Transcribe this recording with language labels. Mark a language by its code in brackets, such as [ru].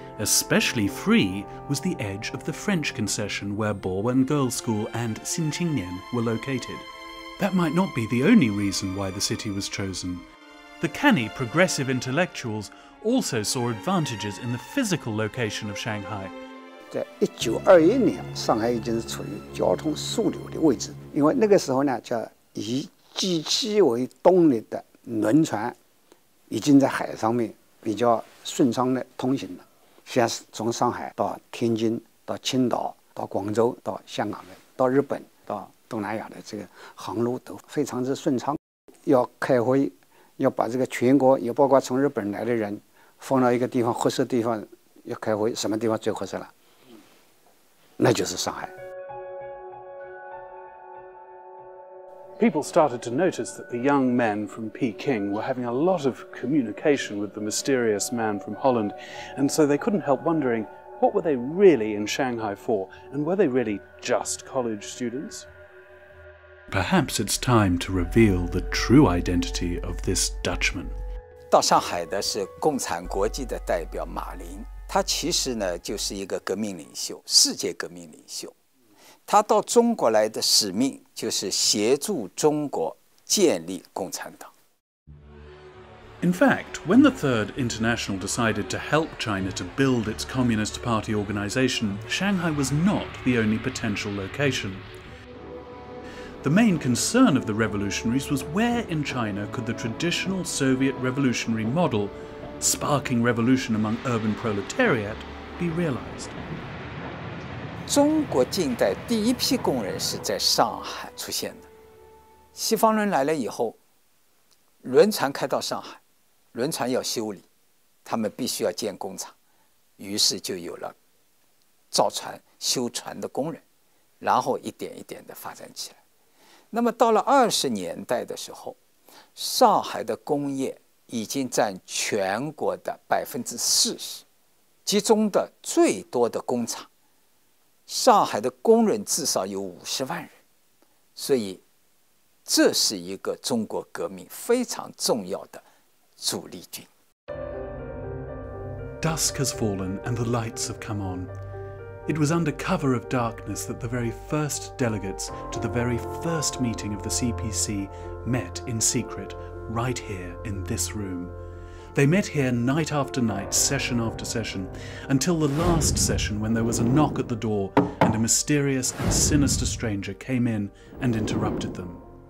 [en] Especially free was the edge of the French Concession where Borwen Girls' School and Xin Qingnian were located. That might not be the only reason why the city was chosen. The canny progressive intellectuals also saw advantages in the physical location of Shanghai. [zh] 在1921年，上海已经是处于交通枢纽的位置，因为那个时候呢，叫以机器为动力的轮船已经在海上面比较顺畅的通行了，像是从上海到天津、到青岛、到广州、到香港的、到日本、到东南亚的这个航路都非常之顺畅。要开会，要把这个全国，也包括从日本来的人，放到一个地方合适的地方要开会，什么地方最合适了？那就是上海。 [en] People started to notice that the young men from Peking were having a lot of communication with the mysterious man from Holland, and so they couldn't help wondering, what were they really in Shanghai for, and were they really just college students? Perhaps it's time to reveal the true identity of this Dutchman. [zh] 到上海的是共产国际的代表马林，他其实呢就是一个革命领袖，世界革命领袖。他到中国来的使命就是协助中国建立共产党。 [en] In fact, when the Third International decided to help China to build its Communist Party organization, Shanghai was not the only potential location. The main concern of the revolutionaries was where in China could the traditional Soviet revolutionary model, sparking revolution among urban proletariat, be realized? [zh] 中国近代第一批工人是在上海出现的。西方人来了以后，轮船开到上海，轮船要修理，他们必须要建工厂，于是就有了造船、修船的工人，然后一点一点地发展起来。那么到了20年代的时候，上海的工业已经占全国的40%，集中的最多的工厂。上海的工人至少有50万人，所以这是一个中国革命非常重要的主力军。 [en] Dusk has fallen and the lights have come on. It was under cover of darkness that the very first delegates to the very first meeting of the CPC met in secret, right here in this room. They met here night after night, session after session, until the last session when there was a knock at the door and a mysterious and sinister stranger came in and interrupted them.